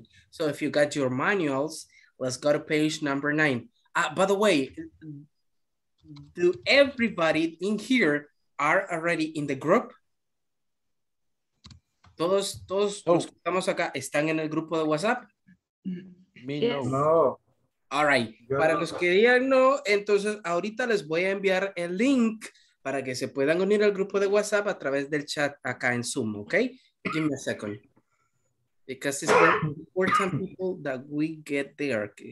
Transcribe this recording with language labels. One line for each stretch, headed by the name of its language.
English: So if you got your manuals, let's go to page number nine. By the way, do everybody in here are already in the group?
Spanish: Todos los que estamos acá están en el grupo de WhatsApp?
English: Me, yes. No. All right.
Spanish: Yo para no. Los que digan no, entonces ahorita les voy a enviar el link para que se puedan unir al grupo de WhatsApp a través del chat acá en Zoom, ¿ok?
English: Give me a second. Because it's very important, people, that we get there.